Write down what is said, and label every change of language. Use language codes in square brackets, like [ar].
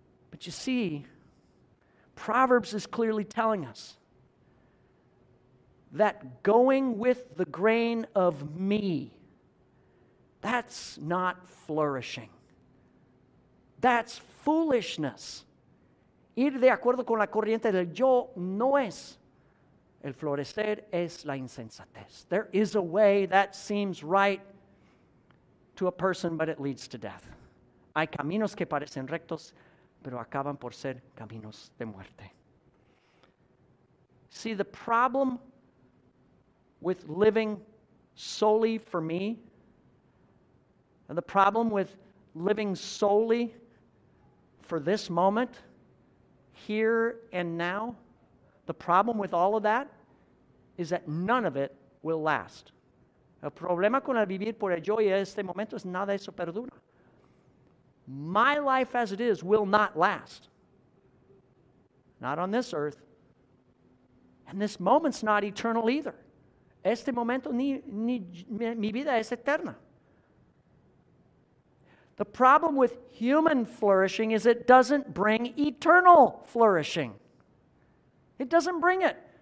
[en] But you see, Proverbs is clearly telling us that going with the grain of me, that's not flourishing. That's foolishness. [es] Ir de acuerdo con la corriente del yo no es. El florecer es la insensatez. [en] There is a way that seems right to a person, but it leads to death. [es] Hay caminos que parecen rectos, pero acaban por ser caminos de muerte. [en] See, the problem with living solely for me, and the problem with living solely for this moment, here and now, the problem with all of that is that none of it will last. [es] El problema con el vivir por el yo y este momento es nada eso perdura. [en] My life as it is will not last. Not on this earth. And this moment's not eternal either. [es] Este momento ni mi vida es eterna. [en] The problem with human flourishing is it doesn't bring eternal flourishing. It doesn't bring it.